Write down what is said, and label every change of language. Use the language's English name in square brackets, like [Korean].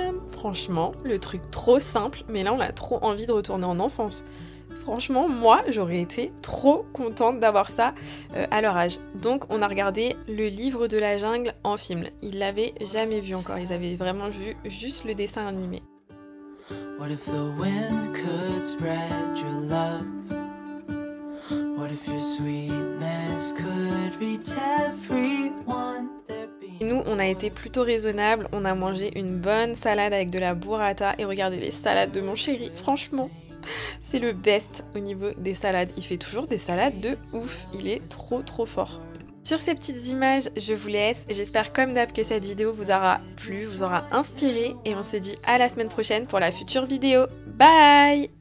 [French] Franchement, le truc trop simple, mais là on a trop envie de retourner en enfance. Franchement, moi j'aurais été trop contente d'avoir ça à leur âge. Donc on a regardé Le Livre de la Jungle en film. Ils l'avaient jamais vu encore, ils avaient vraiment vu juste le dessin animé. [English] What if the wind could spread your love? What if your sweetness could reach everyone? [French] Nous, on a été plutôt raisonnable, on a mangé une bonne salade avec de la burrata et regardez les salades de mon chéri. Franchement, c'est le best au niveau des salades. Il fait toujours des salades de ouf, il est trop trop fort. Sur ces petites images, je vous laisse. J'espère comme d'hab que cette vidéo vous aura plu, vous aura inspiré et on se dit à la semaine prochaine pour la future vidéo. Bye!